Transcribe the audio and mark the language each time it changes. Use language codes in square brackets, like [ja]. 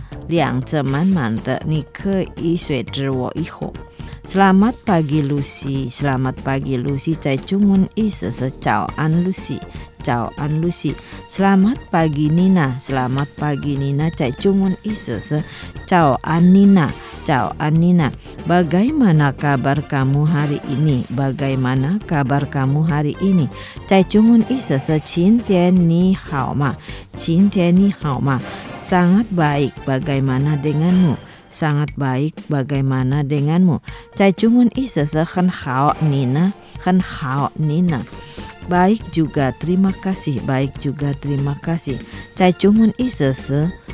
[zh] 两者满满的你可以随着我以后 [id] Selamat pagi Lucy Selamat pagi Lucy [zh] 在中文意思是早安 Lucy 早安 Lucy [id] Selamat pagi Nina Selamat pagi Nina [zh] 在中文意思是早安 Nina早安 Nina [id] Bagaimana kabar kamu hari ini? Bagaimana kabar kamu hari ini? [zh] 在中文意思是今天你好吗？今天你好吗？ [id] Sangat baik bagaimana denganmu? Sangat baik bagaimana denganmu? [zh] 在中文意思是很好 Nina 很好 Nina [id] Baik juga terima kasih [zh] Baik juga terima kasih 在中文意思是